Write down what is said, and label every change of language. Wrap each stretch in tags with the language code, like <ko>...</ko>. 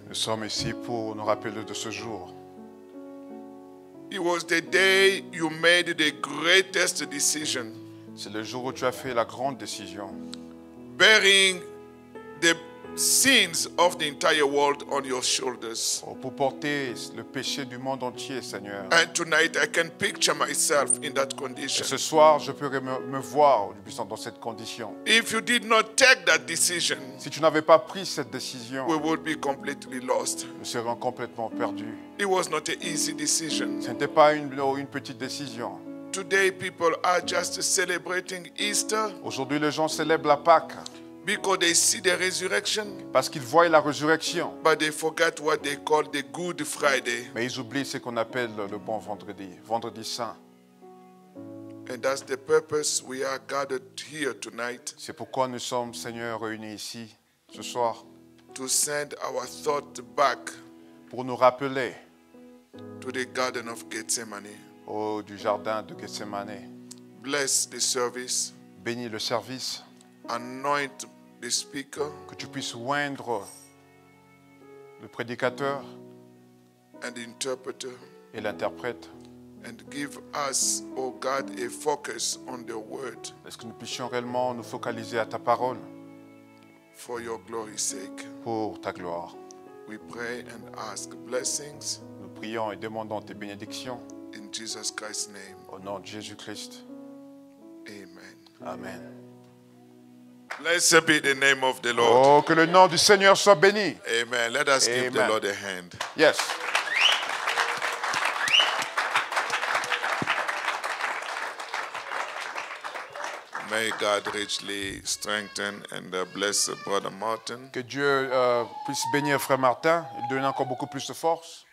<fr>Nous sommes ici pour nous rappeler de ce jour.</fr> <en>It was the day you made the greatest decision.</en> <fr>C'est le jour où tu as fait la grande décision.</fr> <en>Bearing the sins of the entire world on your shoulders.</en> <fr>Oh, pour porter le péché du monde entier, Seigneur.</fr> <en>And tonight I can picture myself in that condition.</en> <fr>Et ce soir, je pourrais me voir dans cette condition.</fr> <en>If you did not take that decision,</en> <fr>si tu n'avais pas pris cette décision,</fr> <en>we would be completely lost.</en> <fr>Nous serions complètement perdus.</fr> <en>It was not an easy decision.</en> <fr>Ce n'était pas une petite décision.</fr> <en>Today people are just celebrating Easter.</en> <fr>Aujourd'hui les gens célèbrent la Pâque.</fr> <en>Because they see the resurrection.</en> <fr>Parce qu'ils voient la résurrection.</fr> <en>But they forget what they call the Good Friday.</en> <fr>Mais ils oublient ce qu'on appelle le bon vendredi, vendredi saint.</fr> <en>And that's the purpose we are gathered here tonight.</en> <fr>C'est pourquoi nous sommes, Seigneur, réunis ici ce soir.</fr> <en>To send our thoughts back.</en> <fr>Pour nous rappeler.</fr> <en>To the Garden of Gethsemane.</en> <fr>Oh, du jardin de Gethsemane.</fr> <en>Bless the service.</en> <fr>Bénis le service.</fr> <en>Anoint the speaker.</en> <fr>Que tu puisses oindre le prédicateur</fr> <en>and the interpreter</en> <fr>et l'interprète</fr> <en>and give us, oh God, a focus on the word.</en> <fr>Est-ce que nous puissions réellement nous focaliser à ta parole</fr> <en>for your glory's sake.</en> <fr>Pour ta gloire.</fr> <en>We pray and ask blessings.</en> <fr>Nous prions et demandons tes bénédictions.</fr> <en>In Jesus Christ's name.</en> <fr>Au nom de Jésus Christ.</fr> <en>Amen. Amen. Blessed be the name of the Lord.</en> <fr>Oh, que le nom du Seigneur soit béni.</fr> <en>Amen. Let us Amen. Give the Lord a hand. Yes. May God richly strengthen and bless Brother Martin.</en> <fr>Que Dieu puisse bénir Frère Martin et lui donner encore beaucoup plus de force.</fr>